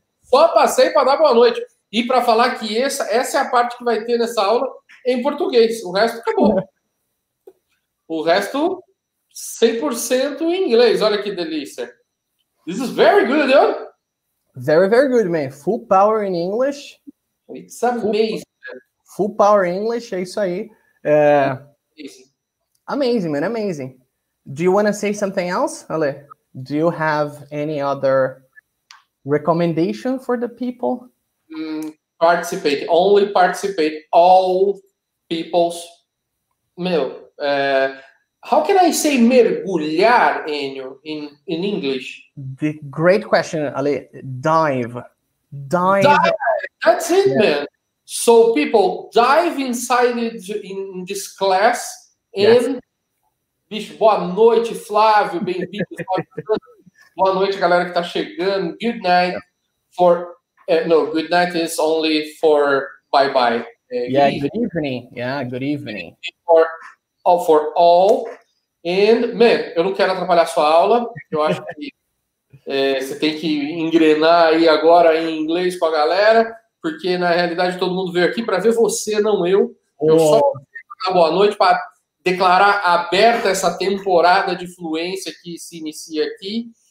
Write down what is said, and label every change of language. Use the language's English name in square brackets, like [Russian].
[Portuguese] Só passei para dar boa noite. E para falar que essa é a parte que vai ter nessa aula em português. O resto acabou. O resto... 100% em inglês, olha que delícia. [English] This is very good, huh? Very, very good, man. Full power in English. It's amazing. Full power in English, [Portuguese] é isso aí. [English] Amazing, man, amazing. Do you want to say something else, Ale? Do you have any other recommendation for the people? Participate, only participate, all people's meal. How can I say mergulhar, Enio, in English? The great question, Ale. Dive. Dive. That's it, yeah. Man. So, people, dive inside in this class. And, yes. [Portuguese] Bicho, boa noite, Flávio. Bem-vindo. Boa noite, galera que tá chegando. [English] Good night for... good night is only for bye-bye. Good evening. Yeah, good evening. For all... And, man, [Portuguese] eu não quero atrapalhar sua aula. Eu acho que você tem que engrenar aí agora em inglês com a galera, porque na realidade todo mundo veio aqui para ver você, não eu. Eu só quero dar boa noite para declarar aberta essa temporada de fluência que se inicia aqui.